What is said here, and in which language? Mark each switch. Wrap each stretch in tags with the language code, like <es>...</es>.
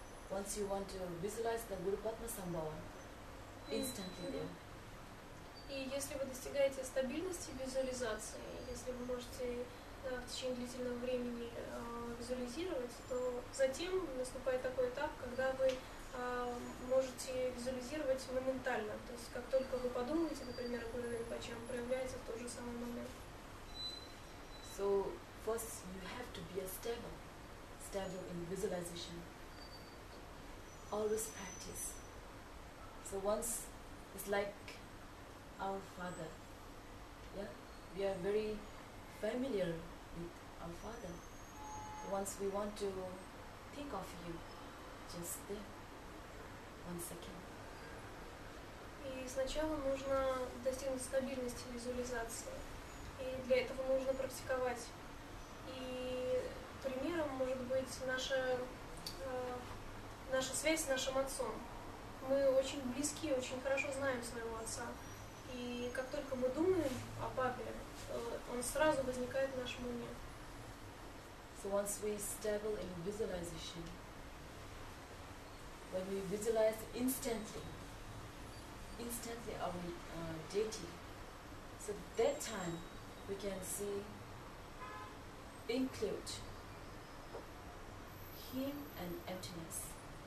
<en>Once you want to visualize the Guru Padmasambhava, instantly there.</en> <ru>И если вы достигаете стабильности визуализации, если вы можете в течение длительного времени визуализировать, то затем наступает такой этап, когда вы можете визуализировать моментально. То есть как только вы подумаете, например, о Гуру Ринпоче, он проявляется в тот же самый момент.</ru> <en>So first you have to be a stable. Stable in visualization. Always practice. So once it's like our father. Yeah? We are very familiar with our father. Once we want to think of you, just there. One second.</en> <ru>И сначала нужно достигнуть стабильности визуализации. И для этого нужно практиковать. И примером может быть наша связь с нашим отцом. Мы очень близки, очень хорошо знаем своего отца. И как только мы думаем о папе, он сразу возникает в нашем уме.</ru> <en>So once we stable in visualization, when we visualize instantly our deity, so that time we can see, include him and emptiness.</en>